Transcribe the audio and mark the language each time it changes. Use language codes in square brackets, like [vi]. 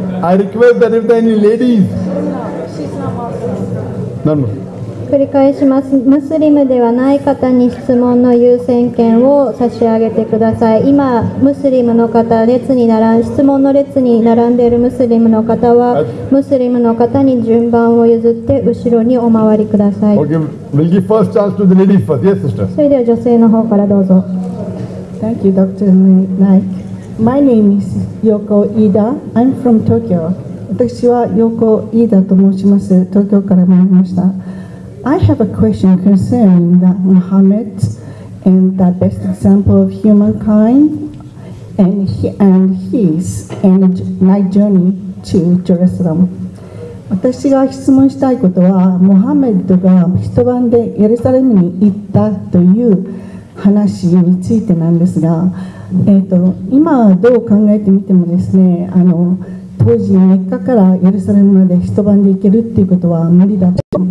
[en] I request that if there are any ladies. [ja] None. 繰り返します。ムスリムではない方に質問の優先権を差し上げてください。今、ムスリムの方、質問の列に並んでいるムスリムの方は、ムスリムの方に順番を譲って後ろにお回りください。 [en] We'll give first chance to the lady first. Yes, sister. [ja] それでは女性の方からどうぞ。 [en] Thank you, Dr. Naik. My name is Yoko Ida. I'm from Tokyo. [ja] 私は横井田と申します。東京から参りました。 [en] I have a question concerning that Muhammad and the best example of humankind and his night journey to Jerusalem. [ja] 私が質問したいことは、モハメッドが一晩でエルサレムに行ったという話についてなんですが、今どう考えてみてもですね、当時メッカからエルサレムまで一晩で行けるっていうことは無理だと。